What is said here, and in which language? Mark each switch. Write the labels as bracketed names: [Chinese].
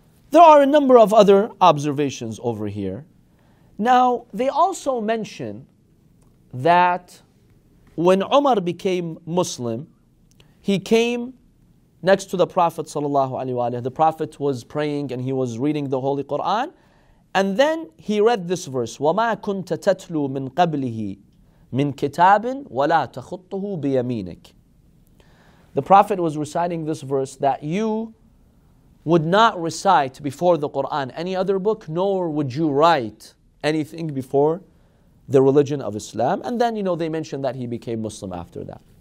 [English] There are a number of other observations over here. Now, they also mention that when Umar became Muslim, he came next to the Prophet sallallahu alaihi wasallam. The Prophet was praying and he was reading the Holy Quran. And then he read this verse, [Arabic] وَمَا كُنْتَ تَتْلُو مِنْ قَبْلِهِ مِنْ كِتَابٍ وَلَا تَخُطُّهُ بِيَمِينِكَ. [English] The Prophet was reciting this verse that you would not recite before the Quran any other book, nor would you write anything before the religion of Islam. And then, you know, they mentioned that he became Muslim after that.